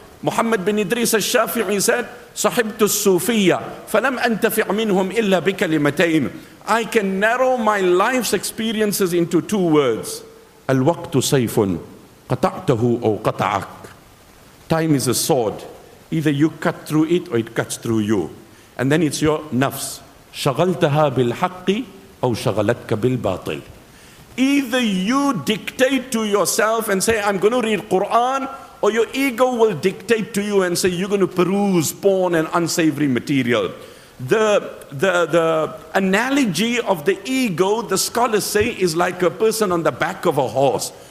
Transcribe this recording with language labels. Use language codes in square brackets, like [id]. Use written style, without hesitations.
[en] Muhammad bin Idris al-Shafi'i said, [ar] صَحِبْتُ السُّوفِيَّ فَلَمْ أَنْتَفِعْ مِنْهُمْ إِلَّا بِكَلِمَتَيْنِ [en] I can narrow my life's experiences into two words. [ar] الْوَقْتُ سَيْفٌ قَطَعْتَهُ أَوْ قَطَعَكْ [en] Time is a sword. Either you cut through it or it cuts through you. And then it's your nafs. [ar] شغلتها بالحق أو شغلتك بالباطل. [en] Either you dictate to yourself and say, I'm going to read Quran, or your ego will dictate to you and say, you're going to peruse porn and unsavory material. The analogy of the ego, the scholars say, is like a person on the back of a horse.